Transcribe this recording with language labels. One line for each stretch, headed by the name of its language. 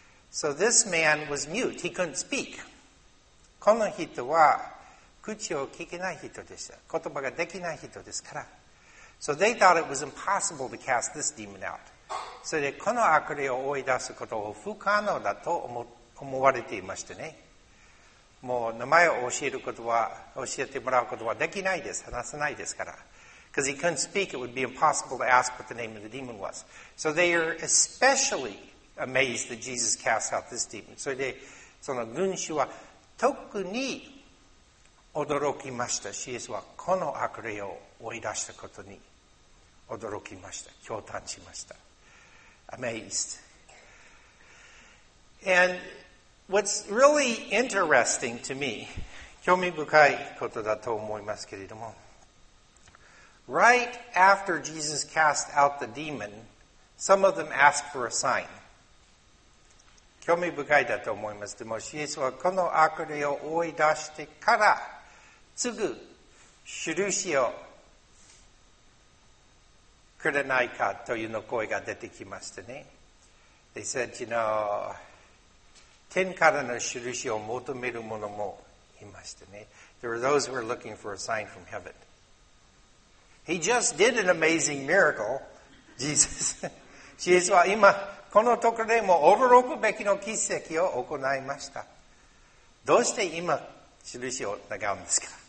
English: So this man was mute. He couldn't speak.
Japanese: この人は、口を聞けない人でした。言葉ができない人ですから。
English: So they thought it was impossible to cast this demon out.
Japanese: それでこの悪霊を追い出すことを不可能だと 思われていましたね。もう名前を教えることは、教えてもらうことはできないです。話せないですから。
English: Because he couldn't speak, it would be impossible to ask what the name of the demon was. So they are especially amazed that Jesus cast out this demon.
Japanese: それでその群衆は特に驚きました。シエスはこの悪霊を追い出したことに驚きました。驚嘆しました。
English: Amazed. And what's really interesting to me,
Japanese: 興味深いことだと思いますけれども、
English: Right after Jesus cast out the demon, some of them asked for a sign.
Japanese: 興味深いだと思います。でもシエスはこの悪霊を追い出してからすぐ印をくれないかというの声が出てきましたね。
English: They said, you know,
Japanese: 天からの印を求める者もいましたね。
English: There were those who were looking for a sign from heaven. He just did an amazing miracle, Jesus.
Japanese: Jesus は今このところでも驚くべきの奇跡を行いました。どうして今印を願うんですか？